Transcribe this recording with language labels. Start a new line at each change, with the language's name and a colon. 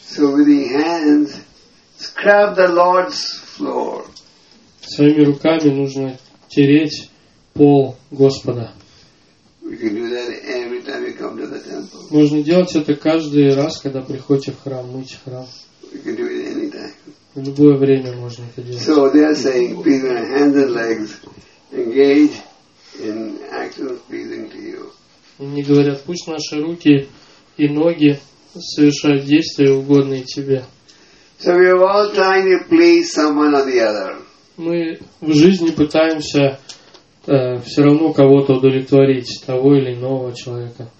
English: So with the hands, scrub the Lord's floor.
Russian: Своими руками нужно тереть пол Господа.
English: We can do that every time you come to the temple.
Russian: Можно делать это каждый раз, когда приходите в храм, мыть храм.
English: We can do it anytime.
Russian: В любое время можно это делать.
English: So they are saying, please, your hands and legs engage in actual pleasing to you.
Russian: Они говорят, пусть наши руки и ноги совершают действия, угодные тебе.
English: So we are all trying to please someone or the other.
Russian: Мы в жизни пытаемся все равно кого-то удовлетворить, того или иного человека.